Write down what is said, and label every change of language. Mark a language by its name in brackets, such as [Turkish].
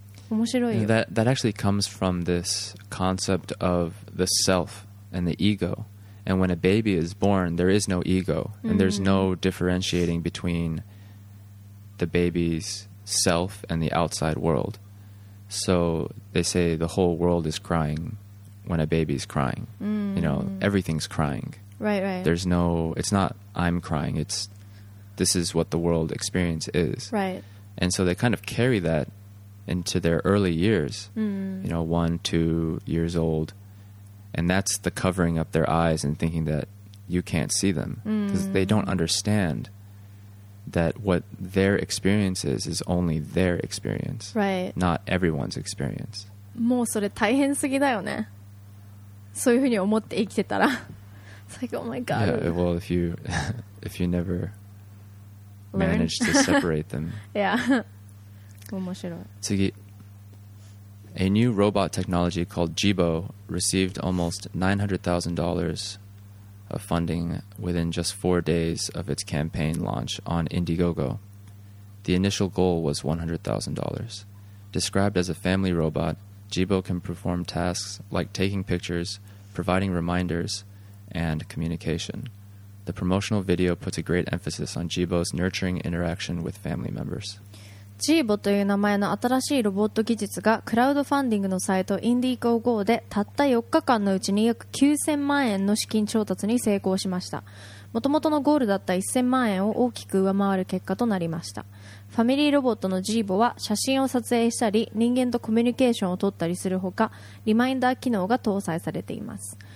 [Japanese] 面白いよ。 [English] That actually comes from this concept of the self and the ego. And when a baby is born, there is no ego. And mm-hmm. there's no differentiating between the baby's self and the outside world. So they say the whole world is crying when a baby's crying. Mm-hmm. You know, everything's crying. Right, right. There's no, it's not I'm crying. It's this is what the world experience is. Right. And so they kind of carry that into their early years, you know, 1-2 years old. And that's the covering up their eyes and thinking that you can't see them. Because they don't understand that what their experience is only their experience. Right. Not everyone's experience. [Japanese] もうそれ大変すぎだよね。そういうふうに思って生きてたら。 [English] It's like, oh my God. Yeah, well, if you never manage to separate them. [Japanese] Yeah. 面白い。 [English] 次。A new robot technology called Jibo received almost $900,000 of funding within just 4 days of its campaign launch on Indiegogo. The initial goal was $100,000. Described as a family robot, Jibo can perform tasks like taking pictures, providing reminders, and communication. The promotional video puts a great emphasis on Jibo's nurturing interaction with family members. [Japanese] ジーボという名前の新しいロボット技術がクラウドファンディングのサイトインディーゴーゴーでたった4日間のうちに約9000万円の資金調達に成功しました。もともとのゴールだった1000万円を大きく上回る結果となりました。ファミリーロボットのジーボは写真を撮影したり人間とコミュニケーションを取ったりするほか、リマインダー機能が搭載されています。